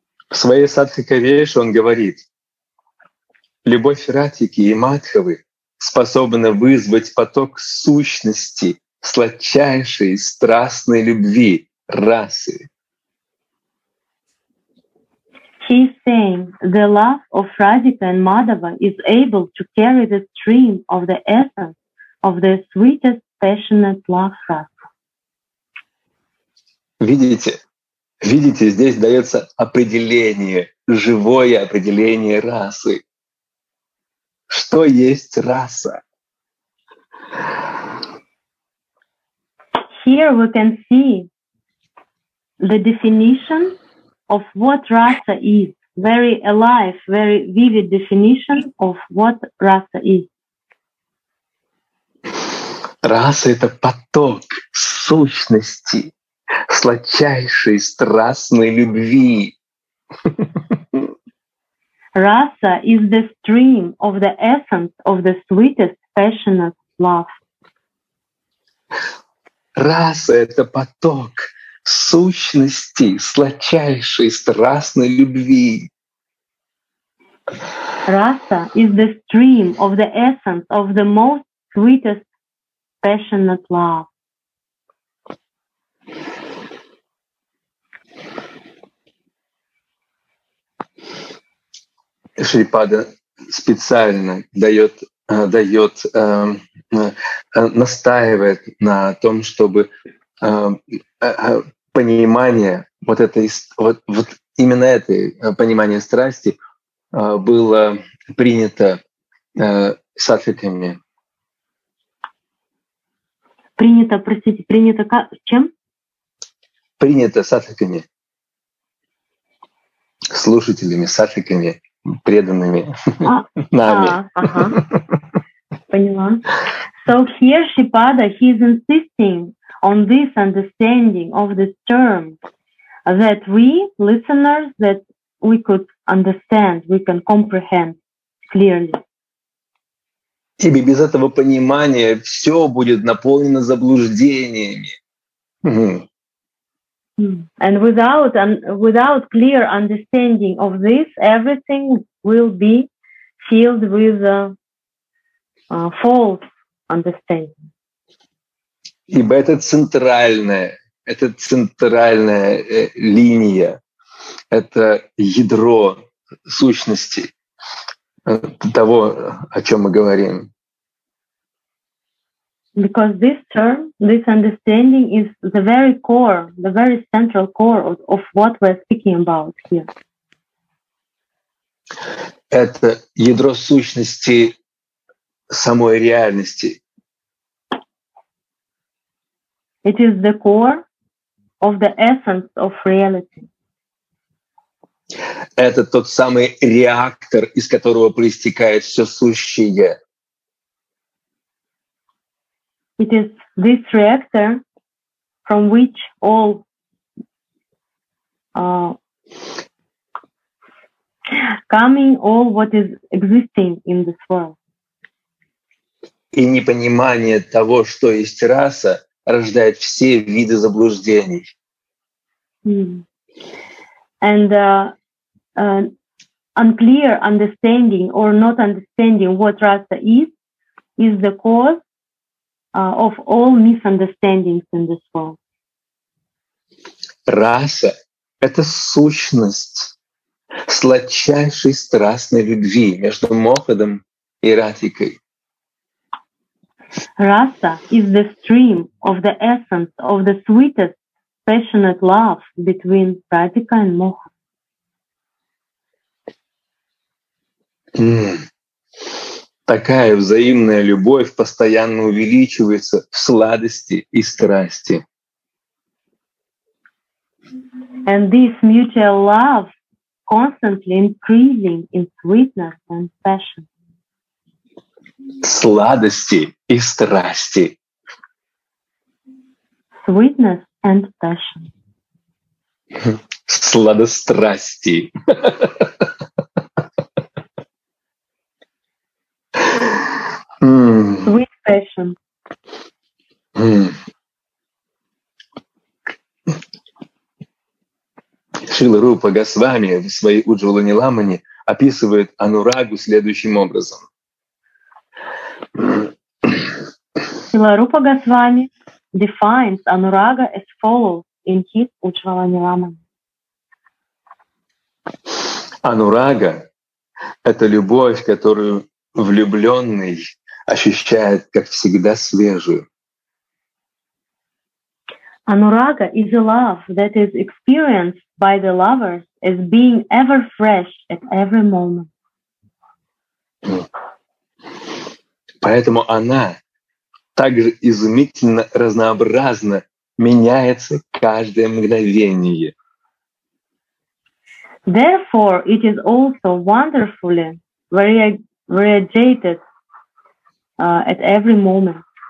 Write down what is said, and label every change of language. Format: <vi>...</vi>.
<ru>В своей садхи-кавеше он говорит: любовь Радхики и Мадхавы способна вызвать поток сущности сладчайшей страстной любви расы.</ru> <en>He's saying the love of Radhika and Madhava is able to carry the stream of the essence of the sweetest passionate love rasa.</en> <ru>Видите? Видите, здесь дается определение, живое определение расы. Что есть раса?</ru> <en>Here we can see the definition of what rasa is. Very alive, very vivid definition of what rasa is.</en> <ru>Раса — это поток сущности сладчайшей страстной любви.</ru> <en>Rasa is the stream of the essence of the sweetest passionate love.</en> <ru>Раса — это поток сущности сладчайшей страстной любви.</ru> <en>Rasa is the stream of the essence of the most sweetest passionate love.</en> <ru>Шрипада специально настаивает на том, чтобы понимание вот этой вот именно этой понимание страсти было принято садхиками. Принято, простите, принято как? Чем? Принято садхиками. Слушателями, садхиками. Преданными нами. Поняла.</ru> <en>So here Шипада, he is insisting on this understanding of this term that we, listeners, that we could understand, we can comprehend clearly.</en> <ru>Тебе без этого понимания все будет наполнено заблуждениями.</ru> <en>And without clear understanding of this, everything will be filled with a false understanding.</en> <ru>Ибо это центральная линия, это ядро сущности того, о чем мы говорим.</ru> <en>Because this term, this understanding is the very core, the very central core of what we're speaking about here.</en> <ru>Это ядро сущности самой реальности.</ru> <en>It is the core of the essence of reality.</en> <ru>Это тот самый реактор, из которого проистекает все сущее.</ru> <en>It is this reactor from which all coming all what is existing in this world.</en> <ru>И непонимание того, что есть раса, рождает все виды заблуждений.</ru> <en>And unclear understanding or not understanding what rasa is the cause of all misunderstandings in this world.</en> <ru>Раса — это сущность сладчайшей страстной любви между Мохадом и Радхикой.</ru> <en>Раса is the stream of the essence of the sweetest passionate love between Radhika and Moha.</en> <ru>Такая взаимная любовь постоянно увеличивается в сладости и страсти.</ru> <en>And this mutual love constantly increasing in sweetness and passion.</en> <ru>Сладости и страсти.</ru> <en>Sweetness and passion.</en> <ru>Сладострасти.</ru> <en>Sweet passion.</en> <ru>Шрила Рупа Госвами в своей Уджхвала Ниламане описывает анурагу следующим образом.</ru> <en>Шрила Рупа Госвами defines Anuraga as follows in his Ujjvala Nilamana.</en> <ru>Anuraga — это любовь, которую влюблённый ощущает как всегда свежую.</ru> <en>Anuraga is a love that is experienced by the lover as being ever fresh at every moment.</en> <ru>Поэтому она также изумительно разнообразно меняется каждое мгновение.</ru> <en>Therefore, it is also wonderfully variegated at every moment.</en>